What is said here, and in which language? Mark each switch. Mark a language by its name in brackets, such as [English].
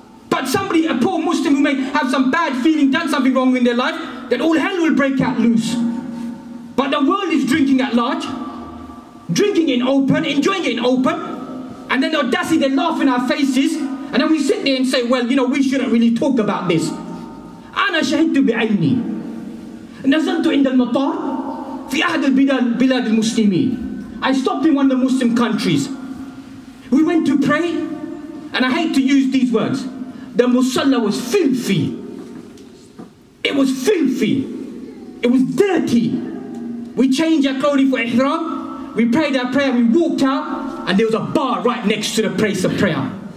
[English] But somebody, a poor Muslim who may have some bad feeling, done something wrong in their life, that all hell will break out loose. But the world is drinking at large, drinking in open, enjoying it in open, and then the audacity, they laugh in our faces, and then we sit there and say, well, you know, we shouldn't really talk about this. [Arabic] أنا شهدت بعيني نزلت عند المطار في أحد بلاد المسلمين. [English] I stopped in one of the Muslim countries. We went to pray, and I hate to use these words, the musalla was filthy. It was filthy. It was dirty. We changed our clothing for ihram. We prayed our prayer. We walked out. And there was a bar right next to the place of prayer.